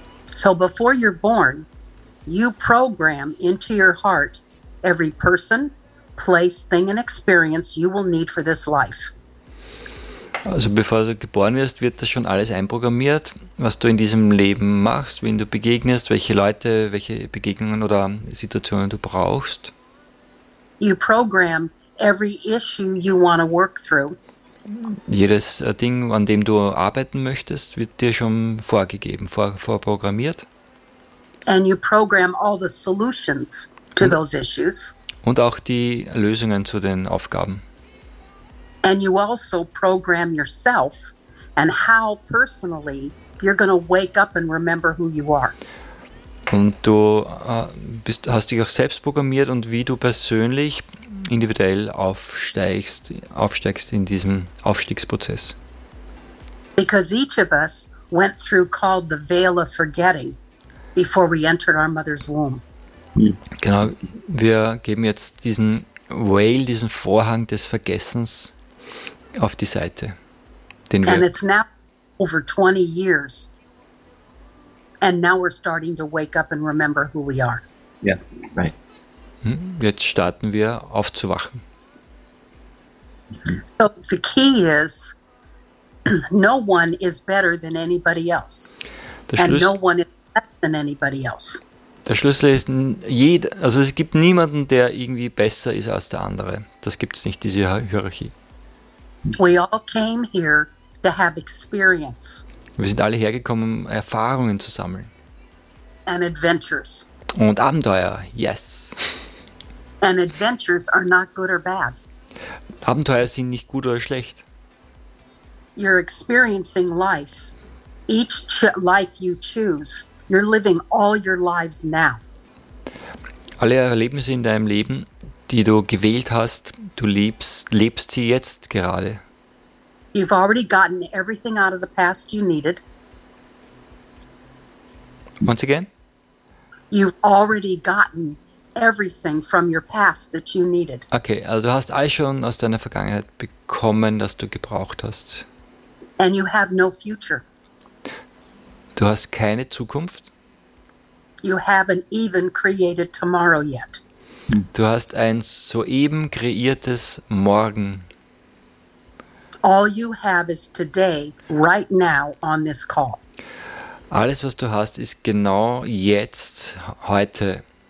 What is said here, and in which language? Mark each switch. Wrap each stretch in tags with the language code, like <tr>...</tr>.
<en>So before you're born, you program into your heart every person, place, thing, and experience you will need for this life.</en> <de>Also bevor du geboren wirst, wird das schon alles einprogrammiert, was du in diesem Leben machst, wen du begegnest, welche Leute, welche Begegnungen oder Situationen du brauchst.</de> <en>You program every issue you want to work through.</en> <de>Jedes Ding, an dem du arbeiten möchtest, wird dir schon vorgegeben, vorprogrammiert.</de> <en>And you program all the solutions to those issues.</en> <de>Und auch die Lösungen zu den Aufgaben.</de> <en>And you also program yourself and how personally you're going to wake up and remember who you are.</en> <de>Und du hast dich auch selbst programmiert und wie du persönlich individuell aufsteigst in diesem Aufstiegsprozess.</de> <en>Because each of us went through called the veil of forgetting before we entered our mother's womb.</en> <de>Genau, wir geben jetzt diesen Veil, diesen Vorhang des Vergessens auf die Seite.</de> <en>And it's now over 20 years. And now we're starting to wake up and remember who we are. Yeah, right.</en> <de>Jetzt starten wir aufzuwachen.</de> <en>So the key is, no one is better than anybody else. And no one is less than anybody else.</en> <de>Der Schlüssel ist, also es gibt niemanden, der irgendwie besser ist als der andere. Das gibt es nicht, diese Hierarchie.</de> <en>We all came here to have experience.</en> <de>Wir sind alle hergekommen, um Erfahrungen zu sammeln.</de> <en>And adventures.</en> <de>Und Abenteuer, yes.</de> <en>And adventures are not good or bad.</en> <de>Abenteuer sind nicht gut oder schlecht.</de> <en>You're experiencing life. Each life you choose, you're living all your lives now.</en> <de>Alle Erlebnisse in deinem Leben, die du gewählt hast, du lebst sie jetzt gerade.</de> <en>You've already gotten everything out of the past you needed. Once again? You've already gotten everything from your past that you needed.</en> <de>Okay, also du hast alles schon aus deiner Vergangenheit bekommen, das du gebraucht hast.</de> <en>And you have no future.</en> <de>Du hast keine Zukunft.</de> <en>You haven't even created tomorrow yet.</en> <de>Du hast ein soeben kreiertes Morgen.</de> <en>All you have is today, right now, on this call.</en> <de>Alles, was du hast, ist genau jetzt, heute.</de>